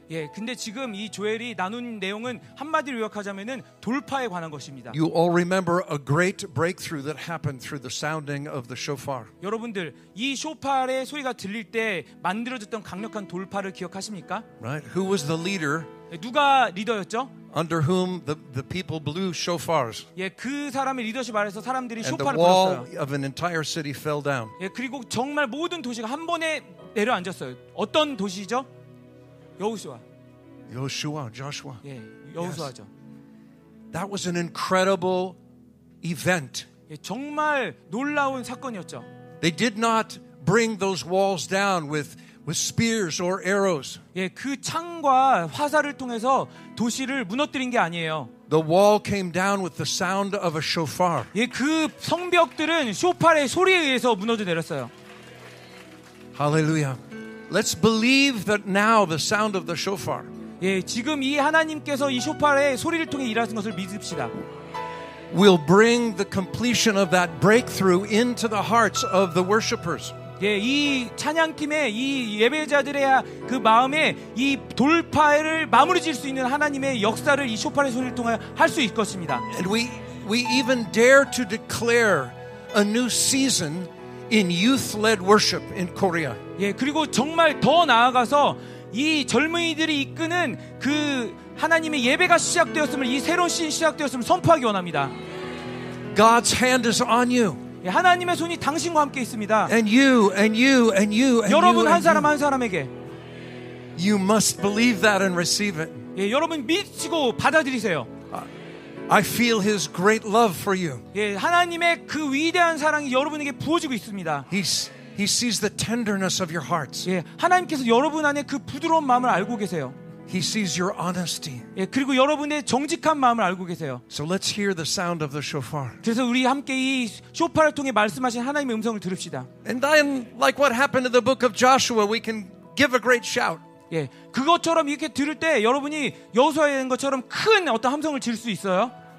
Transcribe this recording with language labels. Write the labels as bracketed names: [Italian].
[Korean] 예, 근데 지금 이 조엘이 나눈 내용은 한마디로 요약하자면은 돌파에 관한 것입니다. [English] You all remember a great breakthrough that happened through the sounding of the shofar. [Korean] 여러분들 이 쇼파의 소리가 들릴 때 만들어졌던 강력한 돌파를 기억하십니까? [English] Right. Who was the leader? [Korean] 누가 리더였죠? [English] Under whom the people blew shofars. [Korean] 예, 그 사람의 리더십 아래서 사람들이 쇼파를 불었어요. [English] And the wall [Korean] 불었어요. [English] of an entire city fell down. [Korean] 예, 그리고 정말 모든 도시가 한 번에 내려앉았어요. 어떤 도시죠? 여호수아. 여호수아, Joshua. 예, 여호수아죠. [English] That was an incredible event. [Korean] 예, 정말 놀라운 사건이었죠. [English] They did not bring those walls down with spears or arrows. [Korean] 예, 그 창과 화살을 통해서 도시를 무너뜨린 게 아니에요. [English] The wall came down with the sound of a shofar. [Korean] 예, 그 성벽들은 쇼파의 소리에 의해서 무너져 내렸어요. [English] Hallelujah. Let's believe that now the sound of the shofar. [Korean] 예, 지금 이 하나님께서 이 쇼파의 소리를 통해 일하신 것을 믿읍시다. [English] We'll bring the completion of that breakthrough into the hearts of the worshipers. [Korean] 예, 이 찬양팀의 이 예배자들의 그 마음에 이 돌파를 마무리 질 수 있는 하나님의 역사를 이 쇼파의 소리를 통해 할 수 있을 것입니다. [English] And we even dare to declare a new season in youth-led worship in Korea. [Korean] 예, 그리고 정말 더 나아가서 이 젊은이들이 이끄는 그 하나님의 예배가 시작되었음을 이 새로운 시즌 시작되었음을 선포하기 원합니다. [English] God's hand is on you. [Korean] 하나님의 손이 당신과 함께 있습니다. [English] And you, and you, and you, and [Korean] 여러분 [English] you, [Korean] 한 사람 한 사람에게. [English] You must believe that and receive it. [Korean] 예, 여러분 믿고 받아들이세요. [English] I feel His great love for you. [Korean] 예, 하나님의 그 위대한 사랑이 여러분에게 부어지고 있습니다. [English] He sees the tenderness of your hearts. [Korean] 예, 하나님께서 여러분 안에 그 부드러운 마음을 알고 계세요. [English] He sees your honesty. [Korean] 예, 그리고 여러분의 정직한 마음을 알고 계세요. [English] So let's hear the sound of the shofar. [Korean] 그래서 우리 함께 이 쇼파를 통해 말씀하신 하나님의 음성을 들읍시다. [English] And then, like what happened in the book of Joshua, we can give a great shout. [Korean] 예, 그것처럼 이렇게 들을 때 여러분이 여호수아에 있는 것처럼 큰 어떤 함성을 지를 수 있어요?